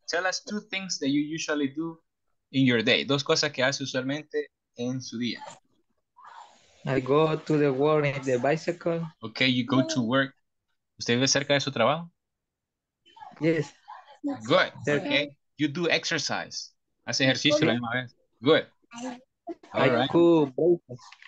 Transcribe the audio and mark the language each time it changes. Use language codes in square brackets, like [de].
[en] Tell us two things that you usually do in your day. [es] Dos cosas que hace usualmente en su día. [en] I go to the work in the bicycle. Okay, you go to work. [es] ¿Usted vive cerca de su trabajo? [en] Yes. Good. Okay. You do exercise. [es] Hace ejercicio la misma vez. [en] Good. All right. I cook breakfast.